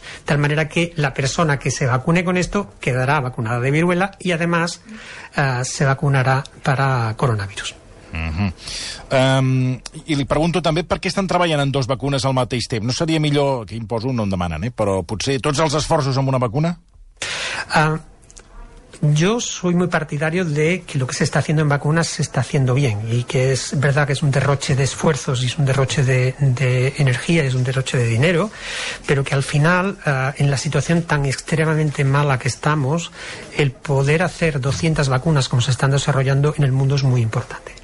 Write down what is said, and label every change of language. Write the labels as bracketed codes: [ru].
[es] De tal manera que la persona que se vacune con esto quedará vacunada de viruela y además se vacunará para coronavirus. [ca] I li pregunto també per què estan treballant en dues vacunes al mateix temps. No seria millor, que imposo, no em demanen, però potser tots els esforços amb una vacuna? [es] Yo soy muy partidario de que lo que se está haciendo en vacunas se está haciendo bien y que es verdad que es un derroche de esfuerzos y es un derroche de energía y es un derroche de dinero, pero que al final, en la situación tan extremadamente mala que estamos, el poder hacer 200 vacunas como se están desarrollando en el mundo es muy importante.